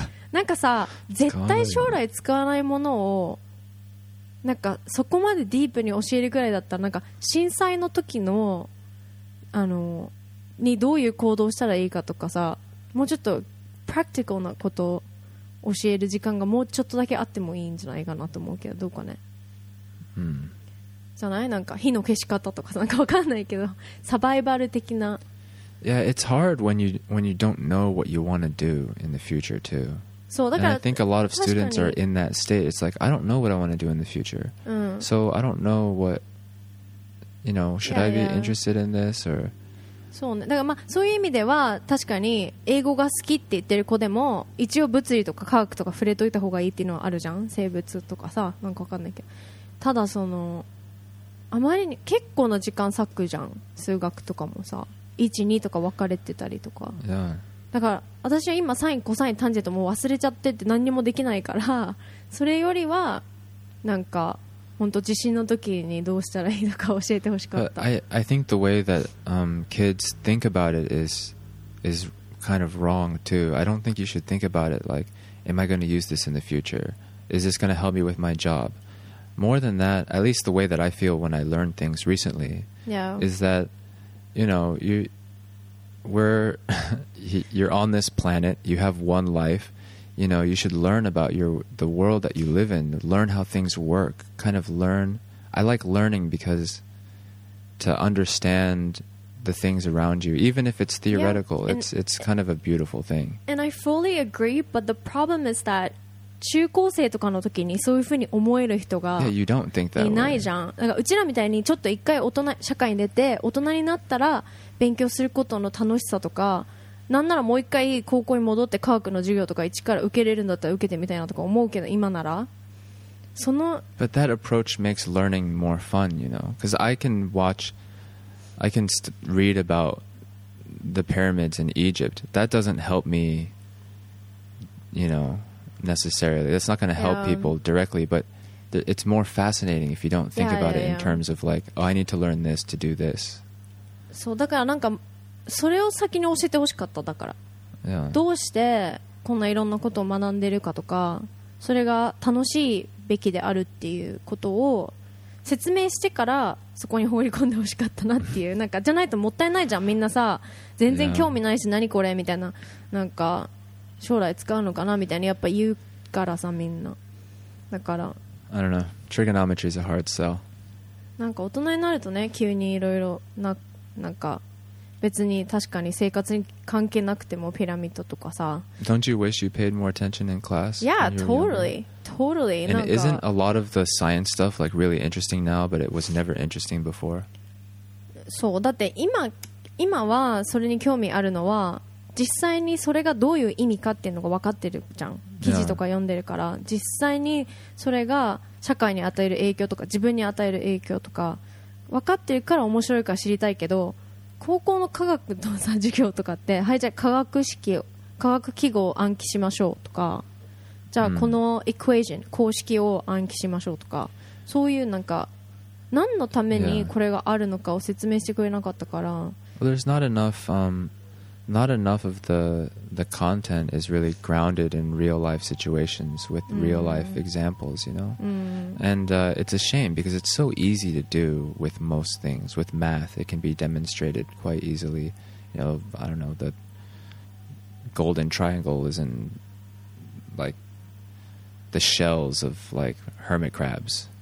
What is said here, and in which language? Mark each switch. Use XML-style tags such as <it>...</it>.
<ja>なんかさ、絶対将来使わないものを、なんかそこまでディープに教えるくらいだったら、なんか震災の時の、あのにどういう行動したらいいかとかさ、もうちょっとプラクティカルなことを教える時間がもうちょっとだけあってもいいんじゃないかなと思うけど、どうかね、じゃない、なんか火の消し方とかなんか分かんないけど、サバイバル的な。</ja> <en>Yeah, it's hard when you don't know what you want to do in the future too.</en> <ja>そうだから、</ja> <en>And I think a lot of students are in that state. It's like, I don't know what I want to do in the future. So I don't know whatYou know, should yeah, I be yeah. interested in this or?</en> <ja>そうね。だからまあそういう意味では確かに英語が好きって言ってる子でも一応物理とか科学とか触れといた方がいいっていうのはあるじゃん。生物とかさ、なんかわかんないけど。ただそのあまりに結構な時間割くじゃん。数学とかもさ、1,2 とか分かれてたりとか。</ja> <en>Yeah.</en> <ja>だから私は今サイン、コサイン、タンジェントも忘れちゃってって何にもできないから、それよりはなんか。本当地震の時にどうしたらいいのか教えてほしかった。</ja> <en>I think the way that kids think about it is kind of wrong too. I don't think you should think about it like, am I going to use this in the future? Is this going to help me with my job? More than that, at least the way that I feel when I learn things recently, yeah. is that, you know, you're on this planet, you have one life. You know, you should learn about the world that you live in, learn how things work, kind of learn. I like learning because to understand the things around you, even if it's theoretical, yeah, it's kind of a beautiful thing. And I fully agree, but the problem is that</en> <ja>中高生とかの時にそういうふうに思える人が yeah, いないじゃん。だからうちらみたいにちょっと一回大人社会に出て大人になったら勉強することの楽しさとか、なんならもう一回高校に戻って科学の授業とか一から受けれるんだったら受けてみたいなとか思うけど、今ならその</ja> <en>But that approach makes learning more fun, you know, because I can read about the pyramids in Egypt. That doesn't help me, you know, necessarily. That's not going to help people directly, but it's more fascinating if you don't think about it in terms of like, oh, I need to learn this to do this.</en> <ja>そうだからなんかそれを先に教えてほしかった。だから、</ja> <en>yeah.</en> <ja>どうしてこんないろんなことを学んでるかとか、それが楽しいべきであるっていうことを説明してからそこに放り込んでほしかったなっていう、なんかじゃないともったいないじゃん。みんなさ全然興味ないし、何これみたいな、なんか将来使うのかなみたいなやっぱ言うからさ、みんな。だから</ja> <en>I don't know, trigonometry is a hard sell.</en> <ja>なんか大人になるとね、急にいろいろなんか別に確かに生活に関係なくてもピラミッドとかさ。</ja> <en>Don't you wish you paid more attention in class? Yeah, totally. Totally. And isn't a lot of the science stuff like really interesting now, but it was never interesting before?</en> <ja>そう、だって今はそれに興味あるのは実際にそれがどういう意味かっていうのが分かってるじゃん。記事とか読んでるから、実際にそれが社会に与える影響とか自分に与える影響とか分かってるから面白いか知りたいけど、高校の科学のさ授業とかって、はい、じゃあ化学式、化学記号を暗記しましょうとか、じゃあこのエクエージョン、公式を暗記しましょうとか、そういうなんか何のためにこれがあるのかを説明してくれなかったから、</ja> <en>Well, there's not enough, not enough of the content is really grounded in real life situations with real life examples, you know? And it's a shame because it's so easy to do with most things. With math, it can be demonstrated quite easily. You know, I don't know, the golden triangle is in like the shells of like hermit crabs.</en>